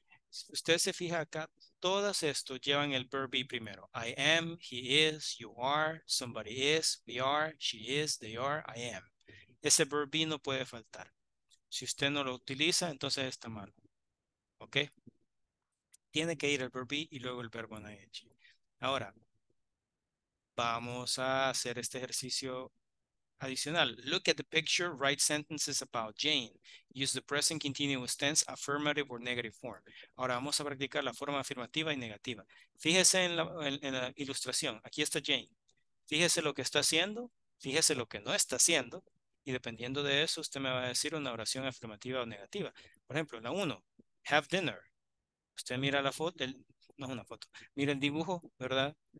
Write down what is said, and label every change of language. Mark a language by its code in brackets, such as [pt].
[es] Si usted se fija acá, todas esto llevan el verb be primero. [en] I am, he is, you are, somebody is, we are, she is, they are, I am. [es] Ese verb be no puede faltar. Si usted no lo utiliza, entonces está mal. ¿Ok? Tiene que ir el verb be y luego el verbo en ing. Ahora, vamos a hacer este ejercicio adicional. [en] Look at the picture, write sentences about Jane. Use the present continuous tense, affirmative or negative form. [es] Ahora vamos a practicar la forma afirmativa y negativa. Fíjese en la ilustración. Aquí está Jane. Fíjese lo que está haciendo. Fíjese lo que no está haciendo. Y dependiendo de eso, usted me va a decir una oración afirmativa o negativa. Por ejemplo, la 1, have dinner. Usted mira la foto, no es una foto, mira el dibujo, ¿verdad?